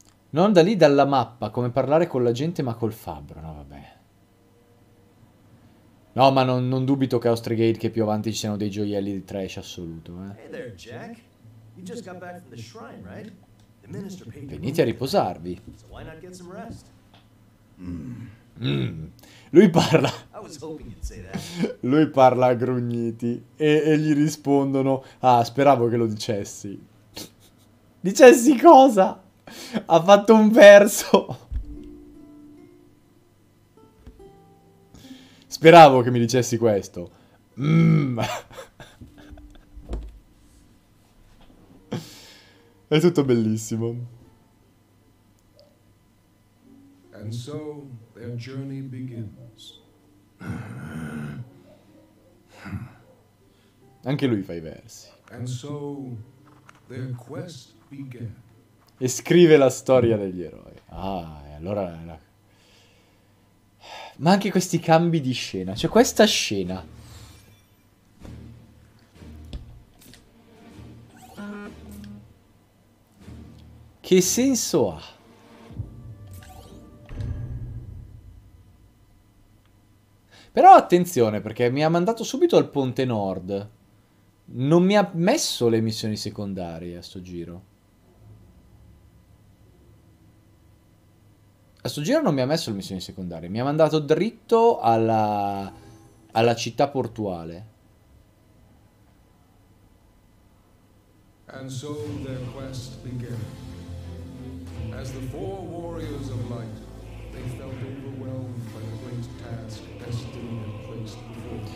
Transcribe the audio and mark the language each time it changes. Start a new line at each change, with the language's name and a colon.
Italian: Non da lì, dalla mappa, come parlare con la gente ma col fabbro, no vabbè. No, ma non dubito che a Ostregate che più avanti ci siano dei gioielli di trash assoluto, eh.
English: Hey there, Jack. You just got back from the shrine, right? The minister paid you.
Italian: Venite a riposarvi.
English: So why not get some rest?
Italian: Lui parla.
English: I was hoping you'd say that.
Italian: Lui parla a grugniti e gli rispondono: ah, speravo che lo dicessi. Dicessi cosa? Ha fatto un verso. Speravo che mi dicessi questo. È tutto bellissimo.
English: And so their journey begins.
Italian: Anche lui fa i versi.
English: And so their quest began.
Italian: E scrive la storia degli eroi. Ah, e allora... Ma anche questi cambi di scena. Cioè, questa scena... Che senso ha? Però attenzione, perché mi ha mandato subito al Ponte Nord. Non mi ha messo le missioni secondarie a sto giro. A sto giro non mi ha messo le missioni secondarie, mi ha mandato dritto alla città portuale.
English: And so their quest began. As the four warriors of light, they felt overwhelmed by the great task destiny had placed before.